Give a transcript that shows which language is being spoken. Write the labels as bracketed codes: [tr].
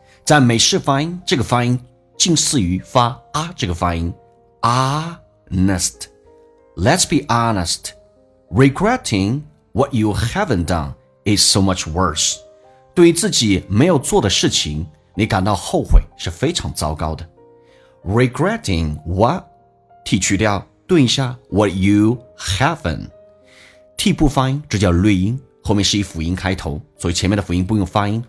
[zh] 在美式发音，这个发音近似于发 a 这个发音。 [en] Honest. Let's be honest. Regretting what you haven't done is so much worse. [zh] 对于自己没有做的事情，你感到后悔是非常糟糕的。 [en] Regretting what? [zh] 剔去掉，顿一下 [en] what you haven't. [zh] 剔不发音，这叫略音，后面是以辅音开头，所以前面的辅音不用发音。